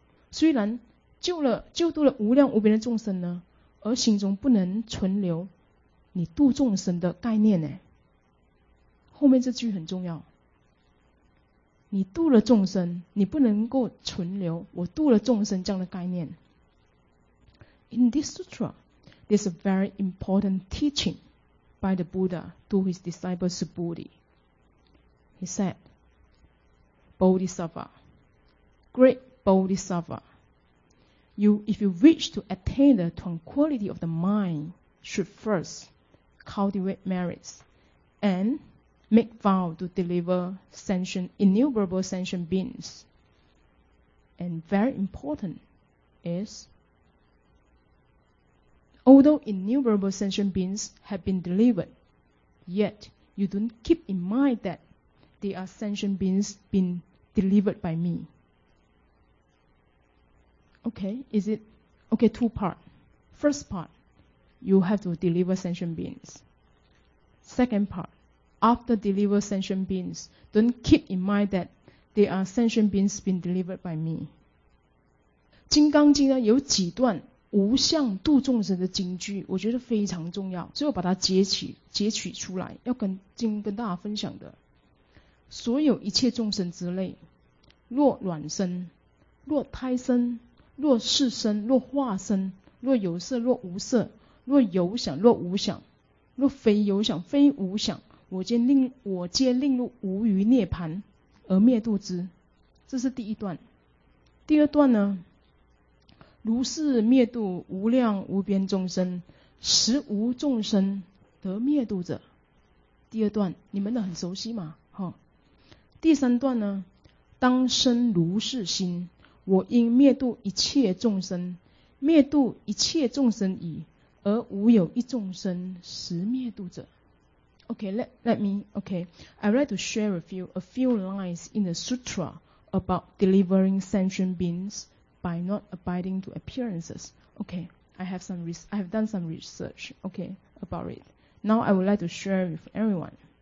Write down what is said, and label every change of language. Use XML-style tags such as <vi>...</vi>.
<zh>虽然救度了无量无边的众生呢，而心中不能存留你度众生的概念呢。” 后面这句很重要，你度了众生，你不能够存留我度了众生这样的概念。</zh> <en>In this sutra, there's a very important teaching by the Buddha to his disciple Subuddhi. He said, Bodhisattva, great Bodhisattva, if you wish to attain the tranquility of the mind, should first cultivate merits and make vow to deliver sentient, innumerable sentient beings. And very important is, although innumerable sentient beings have been delivered, yet you don't keep in mind that they are sentient beings being delivered by me. Okay, is it? Okay, two part. First part, you have to deliver sentient beings. Second part, after deliver sentient beings, don't keep in mind that they are sentient beings being delivered by me.</en> <zh>金刚经呢有几段无相度众生的经句，我觉得非常重要，所以我把它截取出来，要跟大家分享的。所有一切众生之类，若卵生，若胎生，若世生，若化生，若有色，若无色，若有想，若无想，若非有想，非无想，我皆令入无余涅槃而灭度之。这是第一段。第二段呢，如是灭度无量无边众生，实无众生得灭度者。第二段你们的很熟悉嘛、哦、第三段呢，当生如是心，我应灭度一切众生，灭度一切众生已，而无有一众生实灭度者。</zh> <en>Okay, I would like to share with you a few lines in the sutra about delivering sentient beings by not abiding to appearances. Okay, I have done some research, okay, about it. Now I would like to share with everyone.</en>